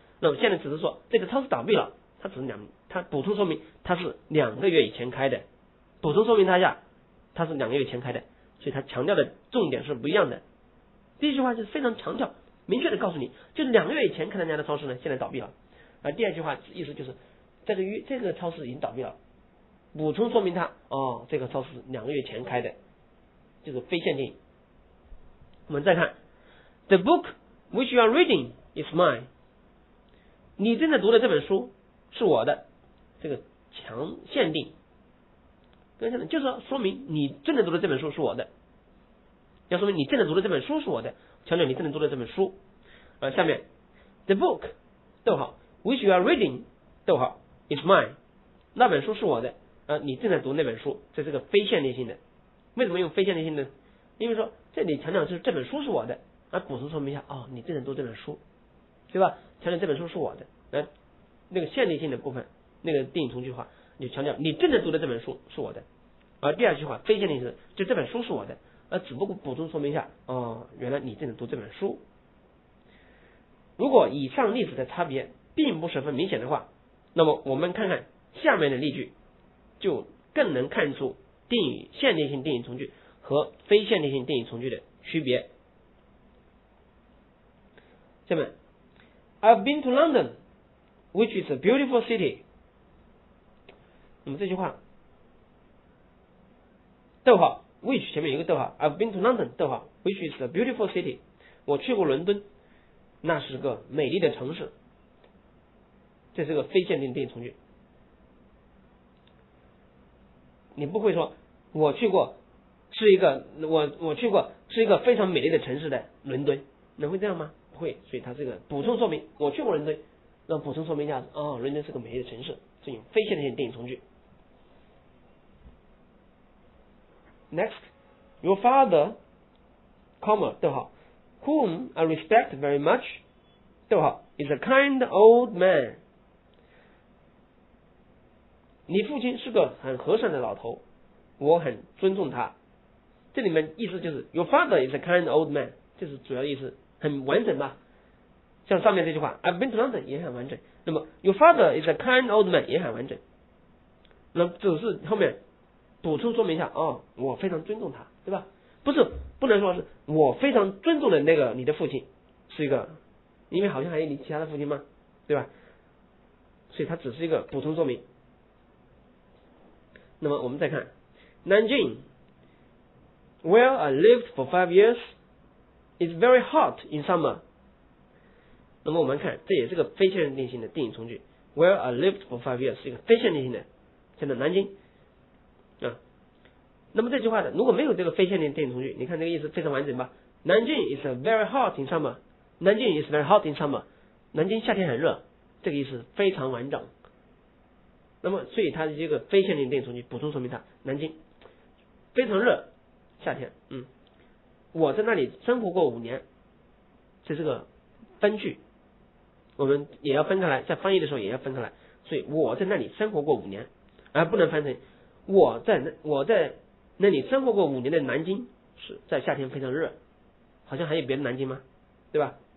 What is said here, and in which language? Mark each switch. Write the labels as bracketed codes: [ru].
[zh] 那么现在只是说这个超市倒闭了，它只是它补充说明它是两个月以前开的，补充说明它一下，它是两个月前开的，所以它强调的重点是不一样的。第一句话就是非常强调，明确的告诉你，就是两个月以前开的那家的超市呢，现在倒闭了。而第二句话意思就是，这个超市已经倒闭了，补充说明它哦，这个超市两个月前开的，就是非限定。我们再看 ， [en] The book which you are reading is mine。 [zh] 你正在读的这本书是我的，这个强限定，跟限定就是说明你正在读的这本书是我的，要说明你正在读的这本书是我的，强调你正在读的这本书。下面 the book 逗号 [en] which you are reading [zh] 逗号 [en] is mine， [zh] 那本书是我的，你正在读那本书，这是个非限定性的。为什么用非限定性呢？因为说这里强调就是这本书是我的，补充说明一下，哦，你正在读这本书，对吧？强调这本书是我的，那个限定性的部分，那个定语从句话，你强调你正在读的这本书是我的。而第二句话非限定性，就这本书是我的，只不过补充说明一下，哦，原来你正在读这本书。如果以上例子的差别并不十分明显的话，那么我们看看下面的例句，就更能看出定语限定性定语从句和非限定性定语从句的区别。下面。 [en] I've been to London, which is a beautiful city. [zh] 那么这句话，逗号 ，which 前面有一个逗号 ， [en] I've been to London, [zh] 逗号 ， [en] which is a beautiful city. [zh] 我去过伦敦，那是个美丽的城市。这是个非限定定语从句。你不会说我去过是一个非常美丽的城市的伦敦，能会这样吗？会，所以它这个补充说明，我去过伦敦，那补充说明一下，哦，伦敦是个美丽的城市，是用非限定性定语从句。 [en] Next, your father, comma, 逗号 whom I respect very much, 逗号 is a kind old man. [zh] 你父亲是个很和善的老头，我很尊重他。这里面意思就是 [en] your father is a kind old man， [zh] 这是主要意思，很完整吧。像上面这句话 [en] I've been to London [zh] 也很完整，那么 [en] your father is a kind old man [zh] 也很完整，那只是后面补充说明一下，哦，我非常尊重他，对吧？不是，不能说是我非常尊重的那个你的父亲是一个，因为好像还有你其他的父亲吗，对吧？所以他只是一个补充说明。那么我们再看 [en] Nanjing where I lived for 5 years is very hot in summer。 [zh] 那么我们看，这也是个非确定性的定语从句， [en] where I lived for 5 years [zh] 是一个非确定性的，现在南京啊。那么这句话的如果没有这个非确定定语从句，你看这个意思非常完整吧。 [en] Nanjing is very hot in summer， Nanjing is very hot in summer， [zh] 南京夏天很热，这个意思非常完整。那么所以它是一个非限定定语从句，补充说明它南京非常热夏天，我在那里生活过5年，这是个分句，我们也要分开来，在翻译的时候也要分开来，所以我在那里生活过5年，而不能翻成我在那里生活过5年的南京是在夏天非常热，好像还有别的南京吗，对吧？